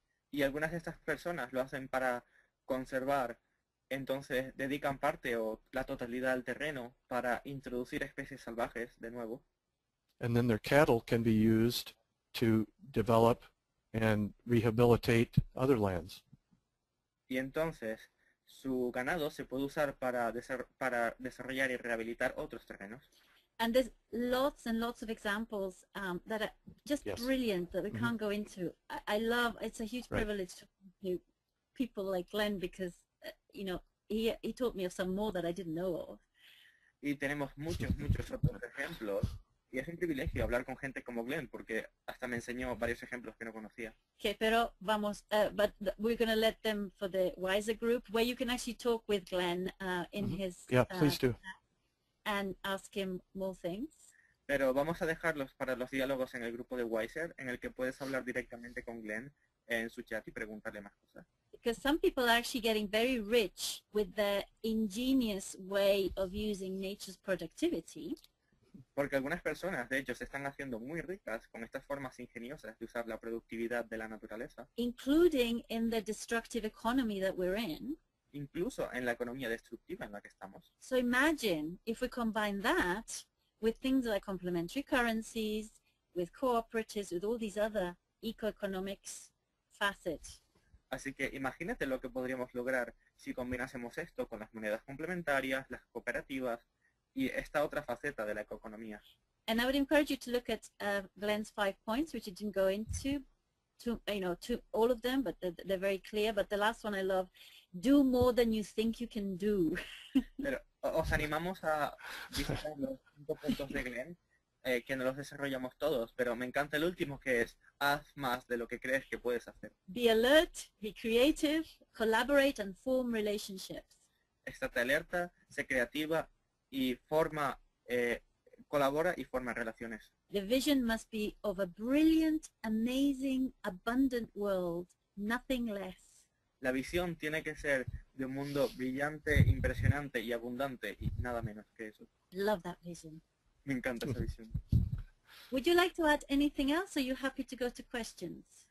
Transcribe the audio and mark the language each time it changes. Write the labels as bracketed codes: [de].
[es] Y algunas de estas personas lo hacen para conservar, entonces dedican parte o la totalidad del terreno para introducir especies salvajes de nuevo. [en] And then their cattle can be used to develop and rehabilitate other lands. [es] Y entonces su ganado se puede usar para desarrollar y rehabilitar otros terrenos. [en] And there's lots and lots of examples that are just yes. brilliant that we can't go into. I love, it's a huge right. privilege to meet people like Glenn because, you know, he taught me of some more that I didn't know of. [es] Y tenemos muchos, muchos otros ejemplos. Y es un privilegio hablar con gente como Glenn porque hasta me enseñó varios ejemplos que no conocía. [en] Okay, [es] pero vamos, [en] but we're going to let them for the Wiser group where you can actually talk with Glenn in his... Yeah, please do. And ask him more things. [es] Pero vamos a dejarlos para los diálogos en el grupo de Wiser, en el que puedes hablar directamente con Glenn en su chat y preguntarle más cosas. [en] Because some people are actually getting very rich with the ingenious way of using nature's productivity. [es] Porque algunas personas, de hecho, se están haciendo muy ricas con estas formas ingeniosas de usar la productividad de la naturaleza. [en] Including in the destructive economy that we're in. [es] Incluso en la economía destructiva en la que estamos. [en] So imagine if we combine that with things like complementary currencies, with cooperatives, with all these other eco-economics facets. [es] Así que imagínate lo que podríamos lograr si combinásemos esto con las monedas complementarias, las cooperativas y esta otra faceta de la eco-economía. [en] And I would encourage you to look at Glenn's 5 points, which you didn't go into. To all of them, but they're very clear. But the last one I love, do more than you think you can do. [es] Pero os animamos a visitar los 5 puntos de Glenn, que no los desarrollamos todos, pero me encanta el último, que es, haz más de lo que crees que puedes hacer. [en] Be alert, be creative, collaborate and form relationships. [es] Estate alerta, sé creativa y forma, colabora y forma relaciones. [en] The vision must be of a brilliant, amazing, abundant world, nothing less. [es] La visión tiene que ser de un mundo brillante, impresionante y abundante, y nada menos que eso. [en] Love that vision. [es] Me encanta esa visión. [en] Would you like to add anything else, or are you happy to go to questions?